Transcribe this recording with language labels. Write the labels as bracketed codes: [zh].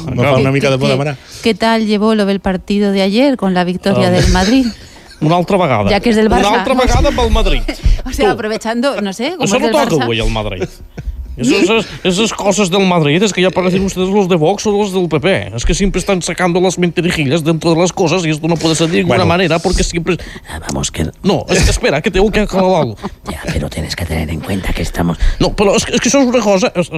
[ca] Me fa una mica de por demanar. [es] ¿Qué tal llevó lo del partido de ayer con la victoria del Madrid? [ca] Una altra vegada. Ja que és del Barça. Una altra vegada amb el Madrid. O sigui, aprovechando, no sé, com és del Barça. Això no toca avui al Madrid. [es] Esas cosas del Madrid, es que ya parecen ustedes los de Vox o los del PP. Es que siempre están sacando las mentirijillas dentro de las cosas y esto no puede ser de ninguna manera porque siempre... Vamos, que... No, espera, que tengo que aclarar algo. Ya, pero tienes que tener en cuenta que estamos... No, pero es que eso es una cosa...